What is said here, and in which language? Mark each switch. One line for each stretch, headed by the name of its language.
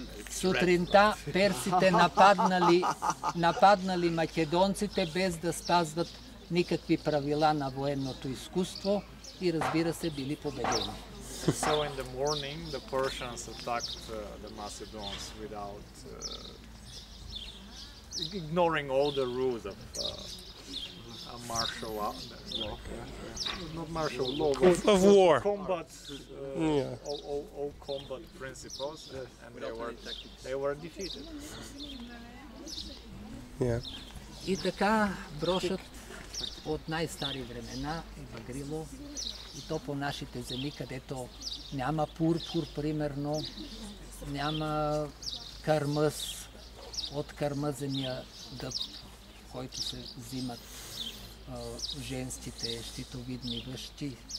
Bulgarian: Сутринта персите нападнали македонците без да спазват никакви правила на военното изкуство и, разбира се, били победени.
English: So in the morning the Persians attacked the Macedons without ignoring all the rules of a martial law, not martial law, but of war, combat, all combat principles, and they were defeated. Yeah.
Bulgarian: И така брошът от най-стари времена е багрило, и то по нашите земи, където няма пурпур, примерно, няма кармъс, от кармазения дъб, който се взимат женските щитовидни връщи.